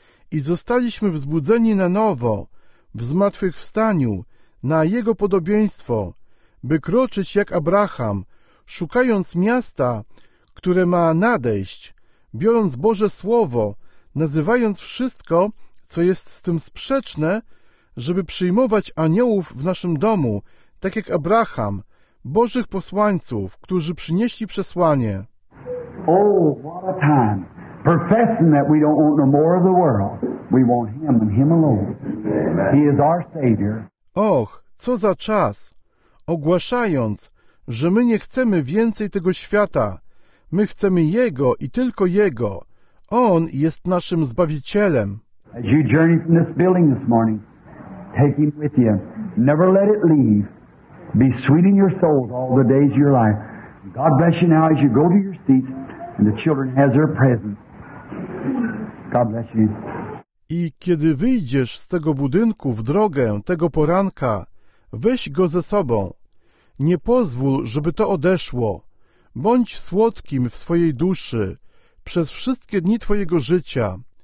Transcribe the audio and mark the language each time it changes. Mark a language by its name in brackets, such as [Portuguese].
[Polish] i zostaliśmy wzbudzeni na nowo, w zmartwychwstaniu, na Jego podobieństwo, by kroczyć jak Abraham, szukając miasta, które ma nadejść, biorąc Boże Słowo, nazywając wszystko, co jest z tym sprzeczne, żeby przyjmować aniołów w naszym domu, tak jak Abraham, Bożych posłańców, którzy przynieśli przesłanie. [English] Oh, what a time. Professing that we don't want no more of the world. We want Him and Him alone. He is our Savior. [Polish] Och, co za czas. Ogłaszając, że my nie chcemy więcej tego świata. My chcemy Jego i tylko Jego. On jest naszym Zbawicielem. [English] As you journey from this building this morning, take Him with you. Never let it leave. Be sweet in your souls all the days of your life. God bless you now as you go to your seats and the children has their presence. God bless you. [Polish] I kiedy wyjdziesz z tego budynku w drogę tego poranka, weź go ze sobą. Nie pozwól, żeby to odeszło. Bądź słodkim w swojej duszy przez wszystkie dni twojego życia.